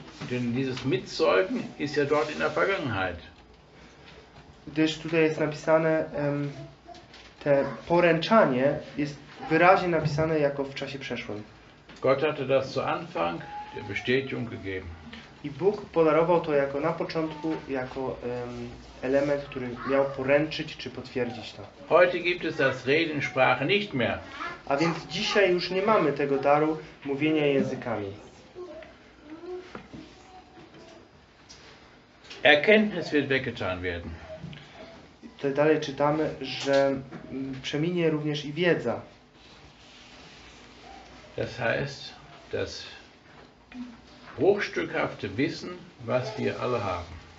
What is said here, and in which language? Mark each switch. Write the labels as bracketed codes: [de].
[de] Denn dieses Mitzeugen ist ja dort in der Vergangenheit. [pl] Gdyż tutaj jest napisane, te poręczanie jest wyraźnie napisane jako w czasie przeszłym. [de] Gott hatte das zu Anfang der Bestätigung gegeben. [pl] I Bóg podarował to jako na początku, jako element, który miał poręczyć czy potwierdzić to. [de] Heute gibt es das Reden Sprache nicht mehr. [pl] A więc dzisiaj już nie mamy tego daru mówienia językami. [de] Erkenntnis wird weggetan werden. [pl] To dalej czytamy, że przeminie również i wiedza. [de] Das heißt, dass bruchstückhafte Wissen, was wir alle haben.